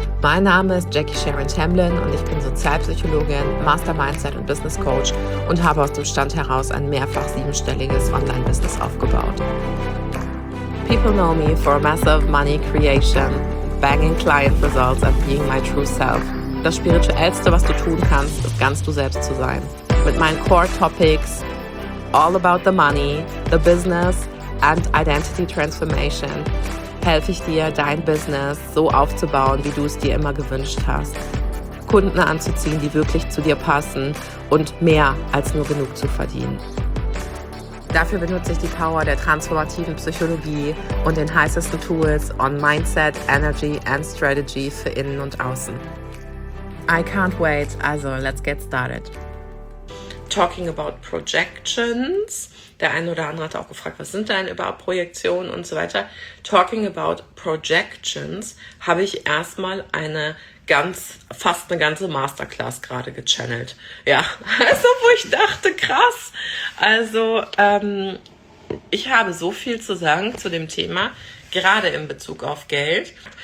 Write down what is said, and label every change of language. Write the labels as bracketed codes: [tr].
[de] Mein Name ist Jackie Sharon Tamblyn und ich bin Sozialpsychologin, Master Mindset und Business Coach und habe aus dem Stand heraus ein mehrfach siebenstelliges Online-Business aufgebaut. [en] People know me for massive money creation, banging client results and being my true self. [de] Das Spirituellste, was du tun kannst, ist ganz du selbst zu sein. Mit meinen Core Topics, [en] all about the money, the business and identity transformation, [de] helfe ich dir, dein Business so aufzubauen, wie du es dir immer gewünscht hast. Kunden anzuziehen, die wirklich zu dir passen und mehr als nur genug zu verdienen. Dafür benutze ich die Power der transformativen Psychologie und den heißesten Tools [en] on Mindset, Energy and Strategy [de] für Innen und Außen. [en] I can't wait, also let's get started. Talking about projections. [de] Der eine oder andere hat auch gefragt, was sind denn überhaupt Projektionen und so weiter. [en] Talking about projections [de] habe ich erstmal fast eine ganze Masterclass gerade gechannelt. Ja, also wo ich dachte, krass. Also ich habe so viel zu sagen zu dem Thema, gerade in Bezug auf Geld.